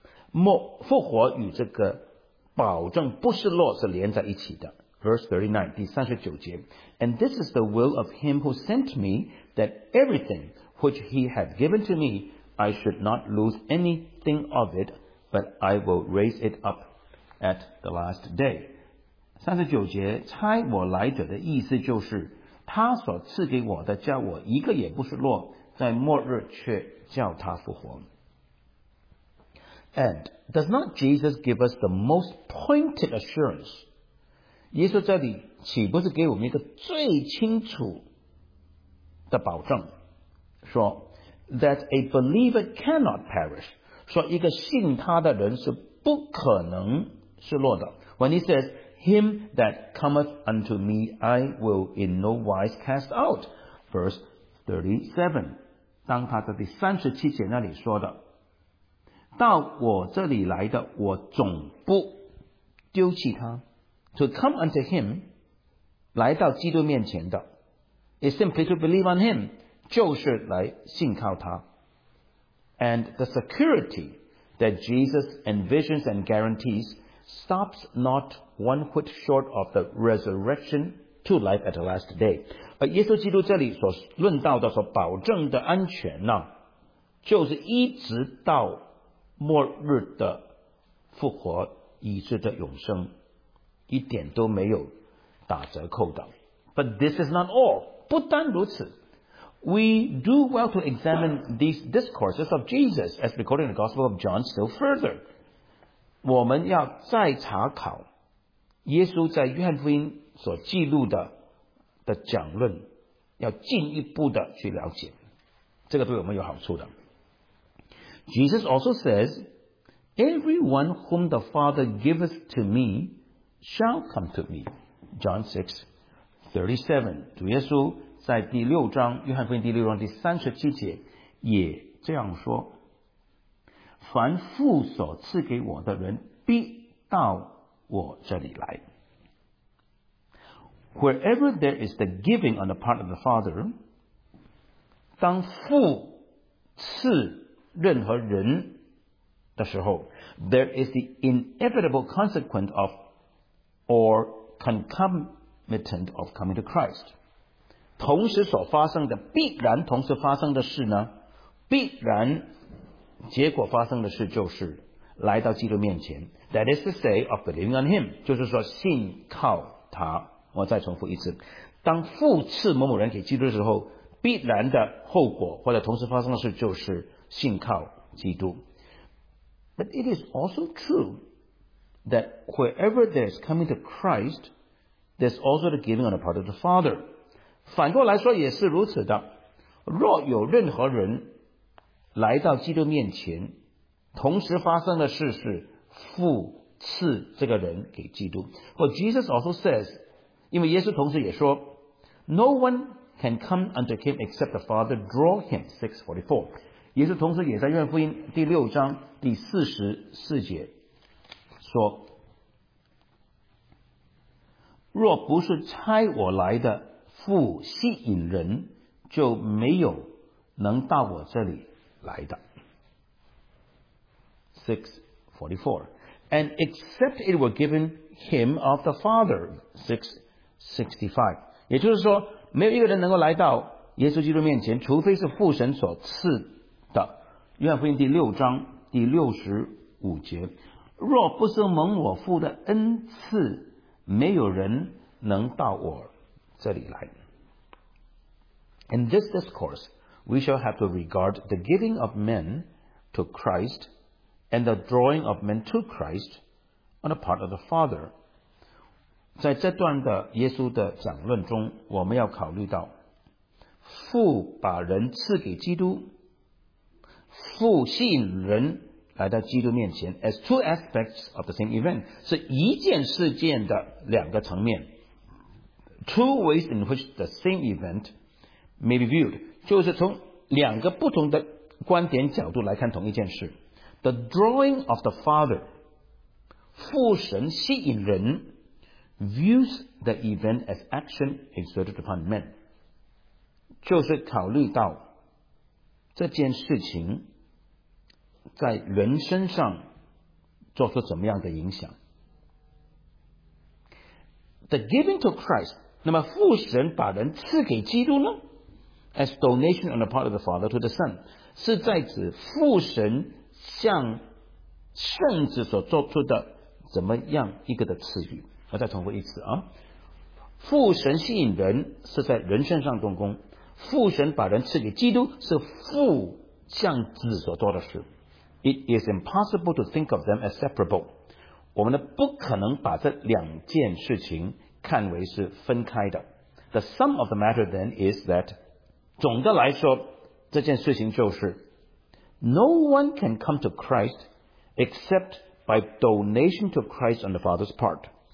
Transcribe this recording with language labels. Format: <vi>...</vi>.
<zh>末复活与这个保证不失落是连在一起的。</zh> <en>Verse 39,</en> <zh>第39节</zh> <en>And this is the will of him who sent me, that everything which he had given to me, I should not lose anything of it, but I will raise it up at the last day.</en> <zh>39节差我来者的意思就是他所赐给我的叫我一个也不失落在末日却叫他复活。</zh> <en>And does not Jesus give us the most pointed assurance?</en> <zh>耶稣这里岂不是给我们一个最清楚的保证，说</zh> <en>that a believer cannot perish，</en> <zh>说一个信他的人是不可能失落的。</zh> <en>When he says him that cometh unto me I will in no wise cast out， verse 37，</en> <zh>当他在第37节那里说的，到我这里来的我总不丢弃他。</zh> <en>To come unto him,</en> <zh>来到基督面前的</zh> <en>is simply to believe on him,</en> <zh>就是来信靠他。</zh> <en>And the security that Jesus envisions and guarantees stops not one whit short of the resurrection to life at the last day.</en> <zh>而耶稣基督这里所论到的、所保证的安全呢，就是一直到末日的复活，以致的永生。一点都没有打折扣的。</zh> <en>But this is not all.</en> <zh>不单如此。</zh> <en>We do well to examine these discourses of Jesus as recorded in the Gospel of John still further.</en> <zh>我们要再查考耶稣在约翰福音所记录 的讲论，要进一步的去了解。这个对我们有好处的。</zh> <en>Jesus also says, Everyone whom the Father giveth to me,Shall come to me. John 6:37.</en> <zh>主耶稣在第六章约翰福音第六章第37节也这样说，凡父所赐给我的人必到我这里来。</zh> <en>Wherever there is the giving on the part of the Father,</en> <zh>当父赐任何人的时候，</zh> <en>there is the inevitable consequence ofor concomitant of coming to Christ.</en> <zh>同时所发生的必然同时发生的事呢，必然结果发生的事就是来到基督面前。</zh> <en>That is to say of believing on him,</en> <zh>就是说信靠他。我再重复一次，当父赐某某人给基督的时候，必然的后果或者同时发生的事就是信靠基督。</zh> <en>But it is also trueThat wherever there's coming to Christ, there's also the giving on the part of the Father.</en> <zh>反过来说也是如此的。若有任何人来到基督面前，同时发生的事是父赐这个人给基督。</zh> <en>But Jesus also says,</en> <zh>因为耶稣同时也说</zh> <en>,No one can come unto him except the Father draw him, 6:44.</en> <zh>耶稣同时也在约翰福音第六章第44节。说若不是差我来的父吸引人，就没有能到我这里来的。</zh> <en>6:44 And except it were given him of the Father, 6:65</en> <zh>也就是说没有一个人能够来到耶稣基督面前，除非是父神所赐的。约翰福音第六章第六十五节，若不是蒙我父的恩赐，没有人能到我这里来。</zh> <en>In this discourse, we shall have to regard the giving of men to Christ and the drawing of men to Christ on the part of the Father.</en> <zh>在这段的耶稣的讲论中，我们要考虑到父把人赐给基督，父吸引人来到基督面前</zh> <en>as two aspects of the same event，</en> <zh>是一件事件的两个层面。</zh> <en>Two ways in which the same event may be viewed，</en> <zh>就是从两个不同的观点角度来看同一件事。</zh> <en>The drawing of the Father，</en> <zh>父神吸引人，</zh> <en>views the event as action exerted upon men，</en> <zh>就是考虑到这件事情在人身上做出怎么样的影响。</zh> <en>The giving to Christ，</en> <zh>那么父神把人赐给基督呢？</zh> <en>As donation on the part of the Father to the Son，</en> <zh>是在指父神向圣子所做出的怎么样一个的赐予。我再重复一次啊，父神吸引人是在人身上动工，父神把人赐给基督是父向子所做的事。</zh> <en>It is impossible to think of them as separable.</en> <zh>我们呢不可能把这两件事情看为是分开的。</zh> <en>The sum of the matter then is that</en> <zh>总的来说这件事情就是</zh> <en>No one can come to Christ except by donation to Christ on the Father's part.</en>